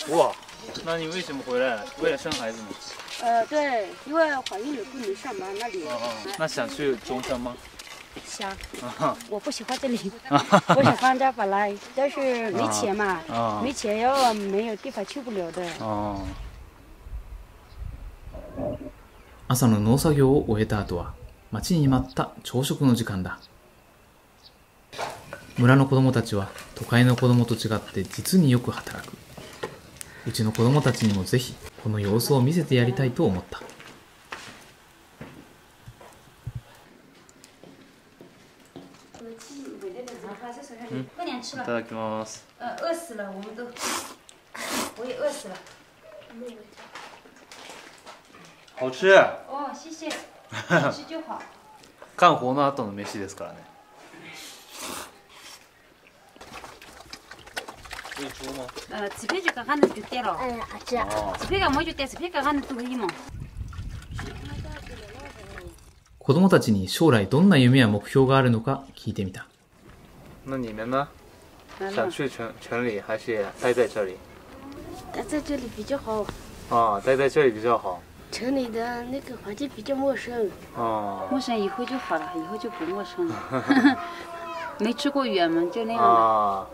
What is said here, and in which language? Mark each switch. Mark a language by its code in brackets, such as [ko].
[zh] 哇，那你为什么回来？为了生孩子吗？对，因为怀孕了不能上班那里。那想去中山吗？想。我不喜欢这里，我喜欢在本来，但是没钱嘛，没钱又没有地方去不了的。 [ja] 朝の農作業を終えた後は、待ちに待った朝食の時間だ。村の子供たちは都会の子供と違って実によく働く。うちの子供たちにもぜひこの様子を見せてやりたいと思った。いただきます。 [zh] 饿死了，我们都，我也饿死了。好吃。谢谢。好吃就好。 [ja] 干活の後の飯ですからね。 [zh] 紫皮就刚刚的就对了。好吃。紫皮刚没就对，紫皮刚刚的都可以嘛。 [ja] 子供たちに将来どんな夢や目標があるのか聞いてみた。 [zh] 那你们呢？想去城里还是待在这里？待在这里比较好。待在这里比较好。城里的那个环境比较陌生。陌生以后就好了，以后就不陌生了。没出过远门，就那样的。